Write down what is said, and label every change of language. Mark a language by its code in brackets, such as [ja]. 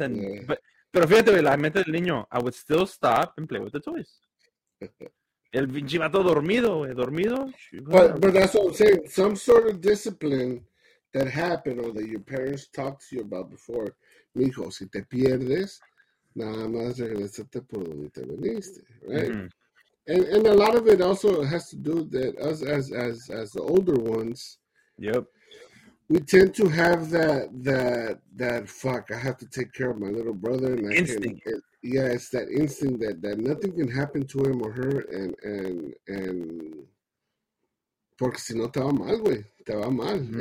[en] And [es] pero fíjate, la mente del niño, [en] I would still stop and play with the toys. [es] El pinche vato dormido. [en] But that's what I'm saying. Some sort of discipline that happened, or that your parents talked to you about before, [es] mijo, si te pierdes. Nada más regresarte por donde te viniste, [en] right? Mm-hmm. And a lot of it also has to do that us as the older ones, yep, we tend to have that fuck, I have to take care of my little brother. And instinct. It's that instinct that nothing can happen to him or her, and [es] porque si no te va mal, güey, te va mal. [en] Mm-hmm.